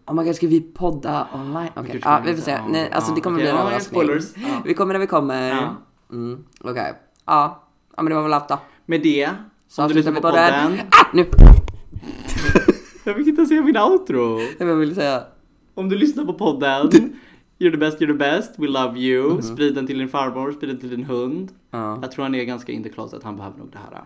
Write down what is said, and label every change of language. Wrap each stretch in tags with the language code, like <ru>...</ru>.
<sv>Oh my god, ska vi podda online? Okej, okay. Vi får se. Nej, alltså det kommer bli en spoilers. Vi kommer när vi kommer. Okej. Okay. Ja, men det var väl allt då. Med det, så om du lyssnar på podden. Nu! Jag fick inte säga min outro. Jag vill säga. Om du lyssnar på podden.</sv> <en>You're the best, we love you.</en> <sv>Mm-hmm. Sprid den till din farmor, sprid den till din hund. Ja. Jag tror han är ganska in the closet, han behöver nog det här.</sv>